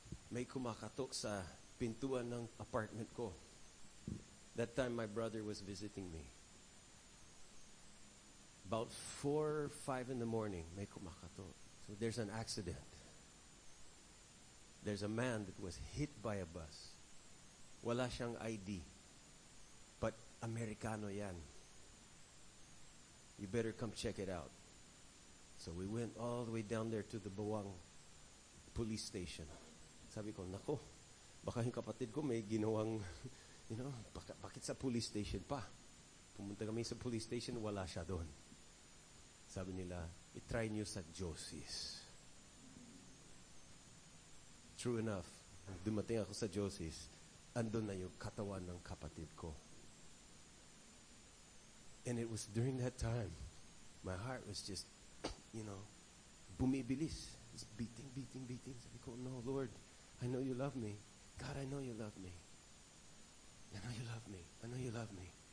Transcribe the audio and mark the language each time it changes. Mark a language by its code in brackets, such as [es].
[tl] May kumakatok sa pintuan ng apartment ko. [en] That time, my brother was visiting me. About 4 or 5 in the morning, [tl] may kumakatok. [en] So there's an accident. There's a man that was hit by a bus. [tl] Wala siyang ID. [en] But Americano yan. You better come check it out. So we went all the way down there to the Bawang police station. [tl] Sabi ko, nako, baka yung kapatid ko may ginawang, [en] you know, [tl] bakit sa police station pa? Pumunta kami sa police station, wala siya doon. Sabi nila, itry niyo sa Josie's. True enough, dumating ako sa Josie's, andun na yung katawan ng kapatid ko. [en] And it was during that time, my heart was just, you know, [tl] bumibilis. [en] It's beating, beating, beating. [tl] Sabi ko, [en] no, Lord, I know you love me. God, I know you love me. I know you love me. I know you love me.